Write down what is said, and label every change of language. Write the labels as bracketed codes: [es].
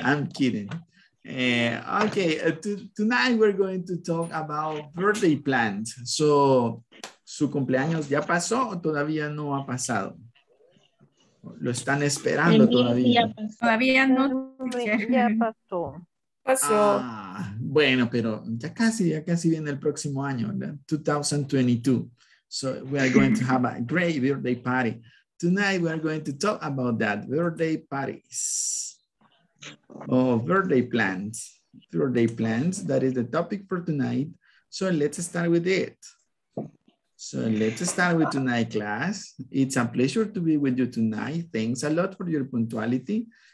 [en] Okay, tonight we're going to talk about birthday plans. [es] So, su cumpleaños ya pasó o todavía no ha pasado? Lo están esperando todavía. Todavía no. Ya pasó. Pasó. Ah, bueno, pero ya casi viene el próximo año, ¿verdad? [en] 2022. So, we are going to have a great birthday party. Tonight, we are going to talk about that, birthday parties. Oh, birthday plans. Birthday plans, that is the topic for tonight. So let's start with it. So let's start with tonight class. It's a pleasure to be with you tonight. Thanks a lot for your punctuality.